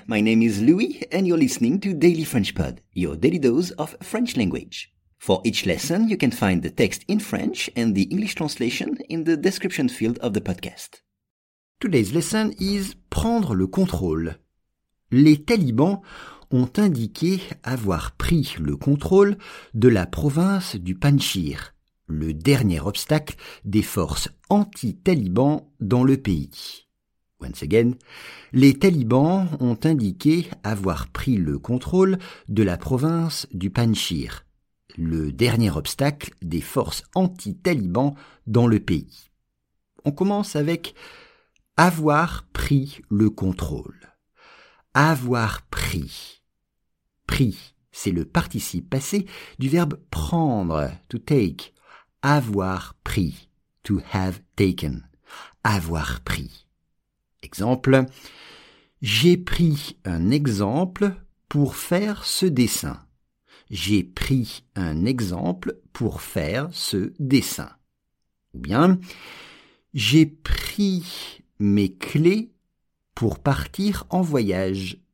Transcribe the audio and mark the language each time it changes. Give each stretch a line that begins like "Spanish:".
English: My name is Louis and you're listening to Daily French Pod, your daily dose of French language. For each lesson, you can find the text in French and the English translation in the description field of the podcast. Today's lesson is
French: prendre le contrôle. Les talibans ont indiqué avoir pris le contrôle de la province du Panjshir, le dernier obstacle des forces anti-talibans dans le pays.
English: Once again,
French: les talibans ont indiqué avoir pris le contrôle de la province du Panjshir, le dernier obstacle des forces anti-talibans dans le pays. On commence avec « avoir pris le contrôle ». Avoir pris. Pris, c'est le participe passé du verbe prendre,
English: to take.
French: Avoir pris,
English: to have taken.
French: Avoir pris. Exemple, j'ai pris un exemple pour faire ce dessin. J'ai pris un exemple pour faire ce dessin. Ou bien, j'ai pris mes clés pour partir en voyage.